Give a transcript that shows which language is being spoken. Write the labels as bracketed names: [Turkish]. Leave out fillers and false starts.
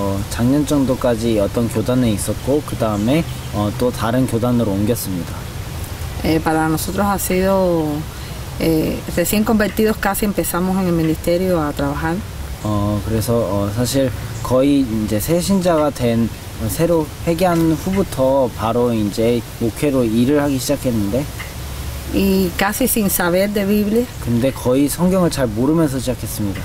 [Korean] 작년 정도까지 어떤 교단에 있었고 그 다음에 또 다른 교단으로 옮겼습니다. [Spanish] Para nosotros ha sido recién convertidos casi empezamos en el ministerio a trabajar. [Korean] 그래서 사실 거의 이제 새 신자가 된 새로 회개한 후부터 바로 이제 목회로 일을 하기 시작했는데. [Spanish] Y casi sin saber de Biblia. [Korean] 근데 거의 성경을 잘 모르면서 시작했습니다.